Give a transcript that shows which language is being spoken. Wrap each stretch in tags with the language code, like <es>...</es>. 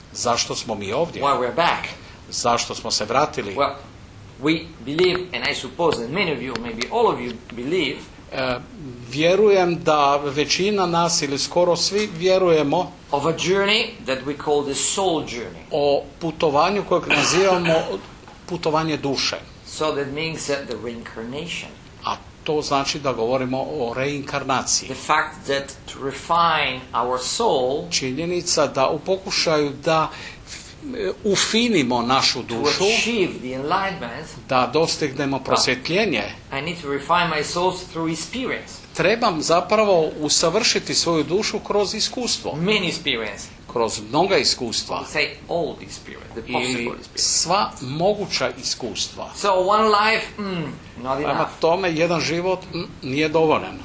<hr>Zašto smo mi ovdje?</hr> <en>Why we're back?</en> <hr>Zašto smo se vratili?</hr> <en>Well, we believe, and I suppose that many of you, maybe all of you believe,</en> <hr>vjerujem da većina nas ili skoro svi vjerujemo</hr> <en>of a journey that we call the soul journey.</en> <hr>O putovanju kojeg nazivamo putovanje duše.</hr> <en>So that means that the reincarnation.</en> <hr>A to znači da govorimo o reinkarnaciji.</hr> <en>The fact that to refine our soul.</en> <hr>Činjenica da u pokušaju da ufinimo našu dušu,</hr> <en>to achieve the enlightenment,</en> <hr>da dostignemo prosvjetljenje,</hr> <en>I need to refine my soul through experience.</en> <hr>Trebam zapravo usavršiti svoju dušu kroz iskustvo.</hr> <en>Many experience.</en> <hr>Kroz mnoga iskustva.</hr> <en>Say all the experience, the possible</en> <hr>ili</hr> <en>experience.</en> <hr>Sva moguća iskustva.</hr> <en>So one life, not enough.</en> <hr>Prema tome, jedan život nije dovoljan.</hr>